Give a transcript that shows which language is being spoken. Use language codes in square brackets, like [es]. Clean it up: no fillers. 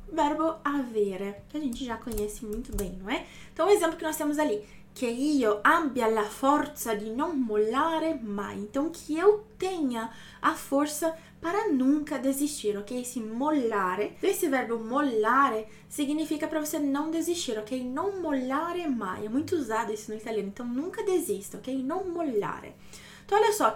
[pt] Verbo avere, que a gente já conhece muito bem, não é? Então, o exemplo que nós temos ali. [it] Che io abbia la forza di non mollare mai. [pt] Então, que eu tenha a força para nunca desistir, ok? Esse mollare, esse verbo mollare, significa para você não desistir, ok? [it] Non mollare mai. [pt] É muito usado isso no italiano. Então, nunca desista, ok? [it] Non mollare. [pt] Então, olha só.